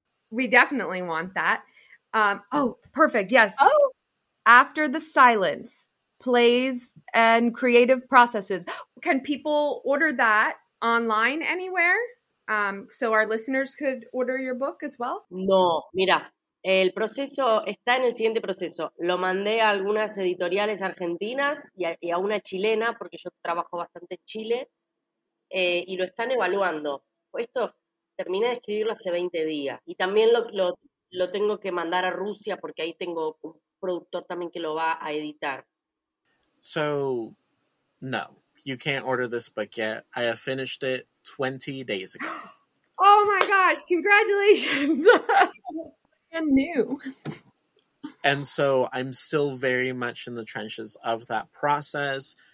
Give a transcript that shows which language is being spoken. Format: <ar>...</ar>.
<en>We definitely want that. Oh, perfect. Yes. Oh. After the silence, plays and creative processes. Can people order that online anywhere? So our listeners could order your book as well?</en> <es>No, mira. El proceso está en el siguiente proceso. Lo mandé a algunas editoriales argentinas y a una chilena, porque yo trabajo bastante en Chile, y lo están evaluando. Esto terminé de escribirlo hace 20 días. Y también lo tengo que mandar a Rusia, porque ahí tengo un productor también que lo va a editar.</es> <en>So, no, you can't order this book yet. I have finished it 20 days ago. Oh my gosh, congratulations. And new. And so I'm still very much in the trenches of that process.</en>